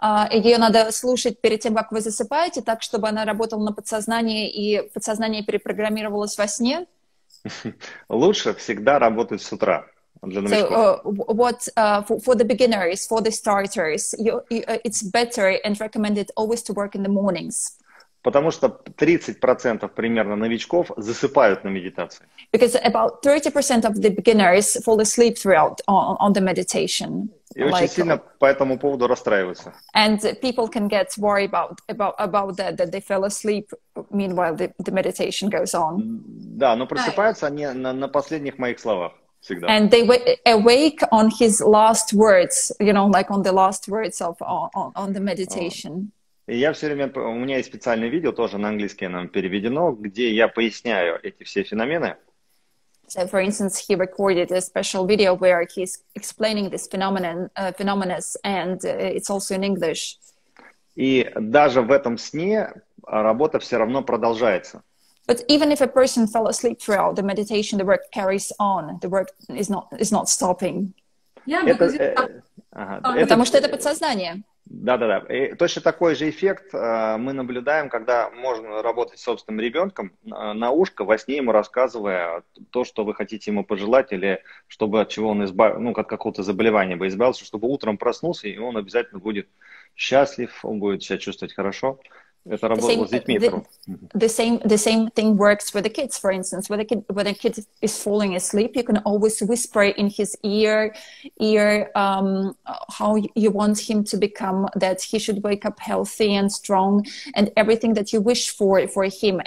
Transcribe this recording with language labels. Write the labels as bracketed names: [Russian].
[Russian] Ее надо слушать перед тем, как вы засыпаете, так, чтобы она работала на подсознание, и подсознание перепрограммировалось во сне. Лучше всегда работать с утра для новичков. [English] So, for the beginners, for the starters, it's better and recommended always to work in the mornings. [Russian] Потому что 30% примерно новичков засыпают на медитации. [English] Because about 30% of the beginners fall asleep throughout on the meditation. [Russian] очень сильно по этому поводу расстраиваются. [English] And people can get worried about that, that they fell asleep, meanwhile the meditation goes on. [Russian] Да, но просыпаются они на последних моих словах всегда. [English] And they awake on his last words, you know, like on the last words of on the meditation. [Russian] И я все время, у меня есть специальное видео, тоже на английский оно переведено, где я поясняю эти все феномены. [English] So, for instance, he recorded a special video where he's explaining this phenomena, and it's also in English. [Russian] И даже в этом сне работа все равно продолжается. [English] But even if a person fell asleep throughout the meditation, the work carries on. The work is not stopping. Yeah, [Russian] потому что это подсознание. Да-да-да. Точно такой же эффект мы наблюдаем, когда можно работать с собственным ребенком на ушко, во сне ему рассказывая то, что вы хотите ему пожелать, или чтобы от чего он избавился, ну, от какого-то заболевания бы избавился, чтобы утром проснулся, и он обязательно будет счастлив, он будет себя чувствовать хорошо. Это работало с детьми. [English] The same thing works for the kids, for instance. When a kid is falling asleep, you can always whisper in his ear how you want him to become, that he should wake up healthy and strong, and everything that you wish for him.